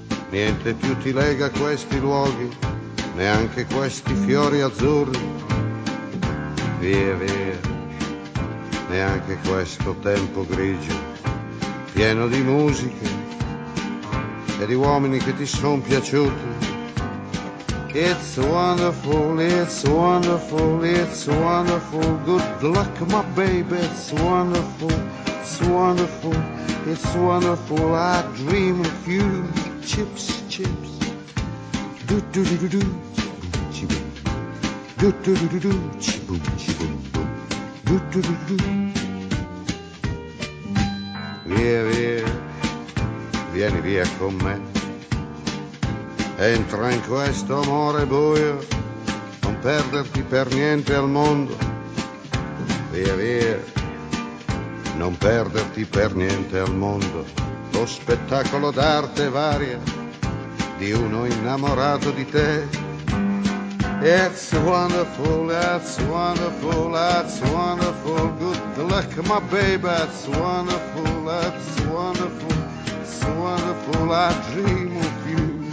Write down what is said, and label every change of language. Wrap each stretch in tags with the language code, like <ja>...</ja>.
<it>Niente più ti lega a questi luoghi, neanche questi fiori azzurri. Via, via, neanche questo tempo grigio, pieno di musiche e di uomini che ti son piaciuti.</it> <en>It's wonderful, it's wonderful, it's wonderful, good luck my baby, it's wonderful, it's wonderful, it's wonderful, I dream of you, chips, chips, do do do do do, chibum, do do do do do, chibum, chibum, do do do do do.</en> <it>Via, via, vieni via con me. Entra in questo amore buio, non perderti per niente al mondo. Via, via, non perderti per niente al mondo. Lo spettacolo d'arte varia di uno innamorato di te.</it> <en>It's wonderful, that's wonderful, that's wonderful. Good luck, my baby, that's wonderful, that's wonderful. It's wonderful, I dream of you.</en>